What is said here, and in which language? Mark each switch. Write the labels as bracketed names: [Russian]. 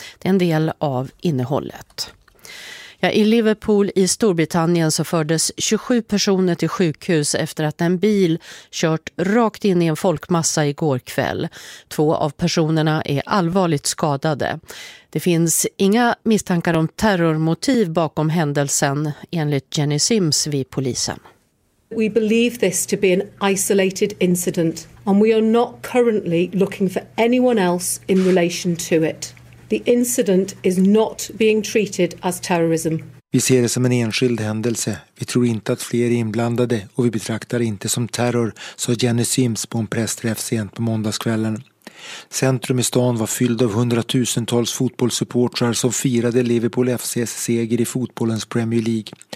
[Swedish] Det är en del av innehållet. Ja, i Liverpool i Storbritannien så fördes 27 personer till sjukhus efter att en bil kört rakt in i en folkmassa igår kväll. 2 av personerna är allvarligt skadade. Det finns inga misstankar om terrormotiv bakom händelsen enligt Jenny Sims vid polisen. [English] We believe this to be an isolated incident and we are not currently looking for anyone else in relation to it. The incident is not being treated as terrorism. [Swedish] Vi ser det som en enskild händelse. Vi tror inte att fler är inblandade och vi betraktar inte som terror, sa Jenny Sims på en pressträff sent på måndagskvällen. Centrum i stan var fylld av hundratusentals fotbollssupportrar som firade Liverpool FC:s seger i fotbollens Premier League.